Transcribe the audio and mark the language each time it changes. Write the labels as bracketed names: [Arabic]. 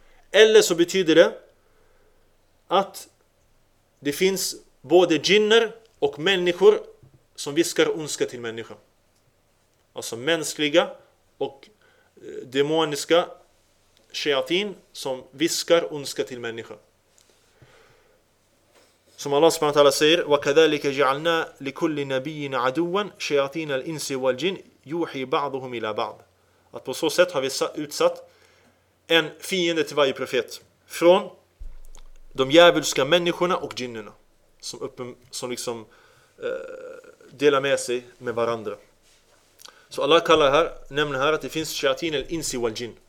[Swedish] Eller så betyder det att det finns både jinner och människor som viskar ondska till människor. Alltså mänskliga och demoniska shayatin som viskar ondska till människor. Som Allah subhanahu wa ta'ala säger, [Arabic] وَكَذَلِكَ جَعَلْنَا لِكُلِّ نَبِيِّنَ عَدُوًا شَيَاطِينَ الْإِنْسِ وَالْجِنِ يُوحِي بَعْضُهُمْ إِلَى بَعْضٍ. [Swedish] Att på så sätt har vi utsatt en fiende till varje profet från de djävulska människorna och jinnerna som delar med sig med varandra. Så Allah nämner här att det finns [Arabic] shayatin al-insi wal-jin.